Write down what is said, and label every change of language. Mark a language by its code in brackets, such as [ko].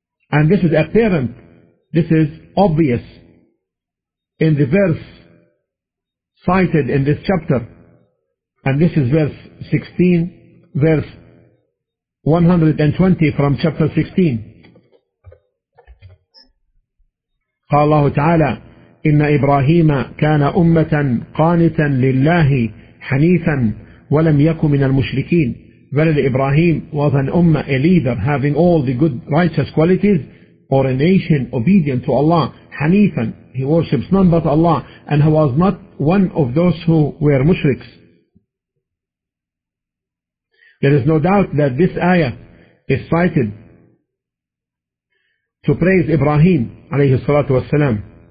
[en] And this is apparent, this is obvious in the verse cited in this chapter, and this is verse 16, verse 120 from chapter 16. [ar] قال الله تعالى: إن إبراهيم كان أمة قانتا لله حنيفا ولم يكن من المشركين. [en] Verily Ibrahim was an ummah, a leader, having all the good righteous qualities, or a nation obedient to Allah. Hanifan, he worships none but Allah, and he was not one of those who were mushriks. There is no doubt that this ayah is cited to praise Ibrahim alayhi salatu wasalam.